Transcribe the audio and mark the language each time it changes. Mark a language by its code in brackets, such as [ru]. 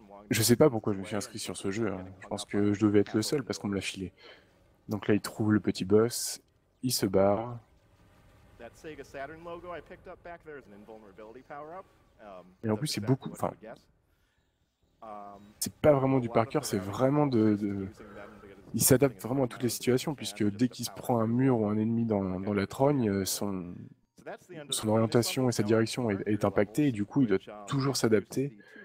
[fr] Je sais pas pourquoi je me suis inscrit sur ce jeu. Hein. Je pense que je devais être le seul parce qu'on me l'a filé. Donc là, il trouve le petit boss. Il se barre. [en] That Sega Saturn logo I picked up back there is an invulnerability power-up. [fr] Et en plus, c'est beaucoup. Enfin, c'est pas vraiment du parkour, c'est vraiment de. Il s'adapte vraiment à toutes les situations, puisque dès qu'il se prend un mur ou un ennemi dans la trogne, son orientation et sa direction est impactée, et du coup, il doit toujours s'adapter.